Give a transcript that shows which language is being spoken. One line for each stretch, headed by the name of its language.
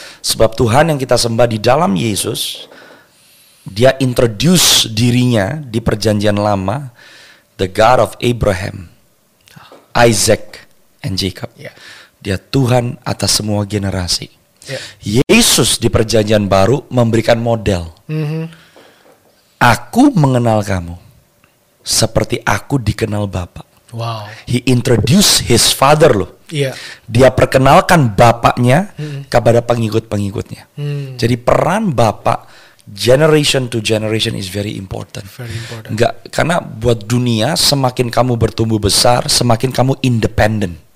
Indonesian: Sebab Tuhan yang kita sembah di dalam Yesus, dia introduce dirinya di perjanjian lama,
English: the God of Abraham, Isaac, and Jacob. Yeah.
Indonesian: Dia Tuhan atas semua generasi.
English: Yeah.
Indonesian: Yesus di perjanjian baru memberikan model. Mm-hmm. Aku mengenal kamu seperti aku dikenal Bapa.
English: Wow. He introduce his father loh. Yeah.
Indonesian: Dia perkenalkan Bapaknya kepada pengikut-pengikutnya. Mm. Jadi peran Bapak
English: generation to generation is very important. Very important.
Indonesian: Enggak, karena buat dunia semakin kamu bertumbuh besar, semakin kamu independent.